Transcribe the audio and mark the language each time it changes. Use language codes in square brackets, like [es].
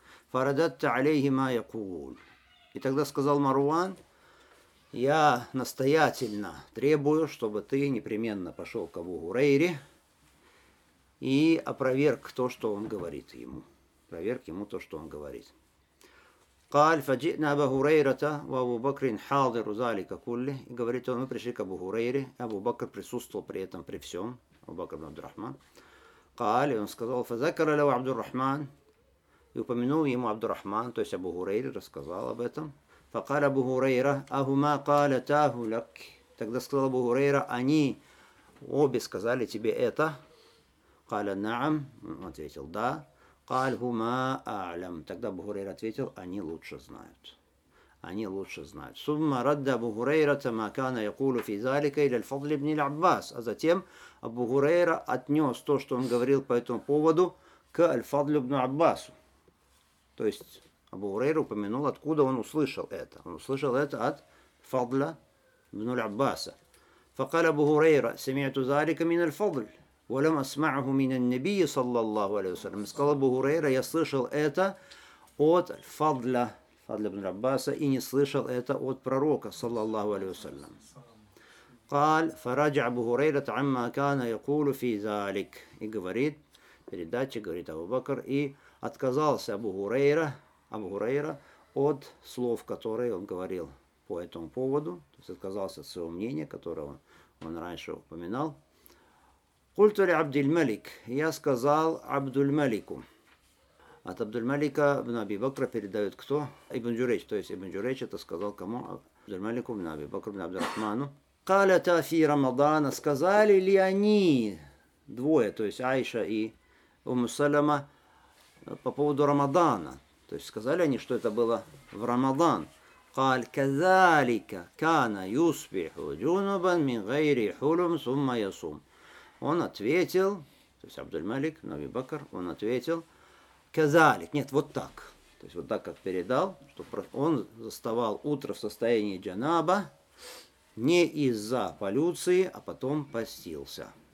[ar] Фарадатта алейхи ма якул. [ru] И тогда сказал Марван, я настоятельно требую, чтобы ты непременно пошел к Абу Хурейре и опроверг то, что он говорит ему. Проверь ему то, что он говорит. [ar] قال فجئنا أبا هريرة وأبو بكر حاضر ذلك كله. [ru] говорит он, мы пришли к Абу Хурейре, Абу Бакр присутствовал при этом при всем. Абу Бакр ибн Абдур-Рахман. [ar] قال, [ru] и он сказал, [ar] فذكر له عبد الرحمن, [ru] и упомянул ему عبد الرحمن, то есть Абу Хурейре рассказал об этом. [ar] فقال أبو هريرة أهما قالتاه لك, [ru] тогда сказал Абу Хурейра, они обе сказали тебе это. [ar] قال نعم, [ru] он ответил да. [ar] قال هما أعلم, [ru] тогда Абу Хурейра ответил, они лучше знают. Они лучше знают. [ar] ثم رد أبو هريرة ما كان يقول في ذلك إلى الفضل بن العباس. [ru] А затем Абу Хурейра отнес то, что он говорил по этому поводу, к Аль-Фадлю ибн Аббасу. То есть Абу Хурейра упомянул, откуда он услышал это. Он услышал это от Фадля ибн Аббаса. [ar] فقال أبو هريرة سمعت ذلك من الفضل ولم أسمعه من النبي صلى الله عليه وسلم. قال أبو هريرة [ru] я слышал это от Фадля, Фадля ибн Аббаса, и не слышал это от пророка صلى الله عليه وسلم. [ar] قال فرجع أبو هريرة عما كان يقول في ذلك, [ru] и говорит передача, говорит Абу Бакр, и отказался Абу Хурейра от слов, которые он говорил по этому поводу, то есть отказался от своего мнения, которое он раньше упоминал. [ar] قلت لعبد الملك, [ru] я сказал [ar] عبد الملك. [ru] От عبد الملك ابن أبي بكر передает кто? Ибн Джурейч, то есть Ибн Джурейч это сказал кому? [ar] عبد الملك ابن أبي بكر ابن عبد الرحمن. قالتا في رمضان, [ru] сказали ли они двое, то есть Айша и Умму Салама, по поводу Рамадана, то есть сказали они, что это было в Рамадан. [ar] قال كذلك كان يصبح جنبا من غير حلم ثم يصوم. [ru] Он ответил, то есть Абдуль-Малик, Наби Бакр, он ответил, казалик, нет, вот так. То есть вот так, как передал, что он заставал утро в состоянии джанаба не из-за полюции, а потом постился.